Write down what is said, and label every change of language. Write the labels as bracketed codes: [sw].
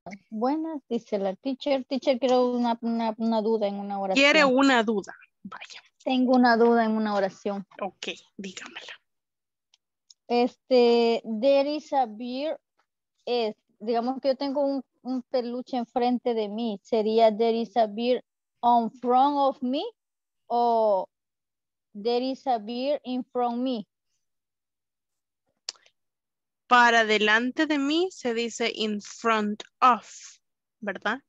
[es] Buenas, dice la teacher. Teacher, quiero una duda en una oración. Quiere una duda. Vaya. Tengo una duda en una oración. Ok, dígamela. [en] There is a bear. [es] Digamos que yo tengo un peluche enfrente de mí. ¿Sería [en] there is a bear on front of me? [es] ¿O [en] there is a bear in front of me? [es] Para delante de mí se dice [en] in front of, [es] ¿verdad?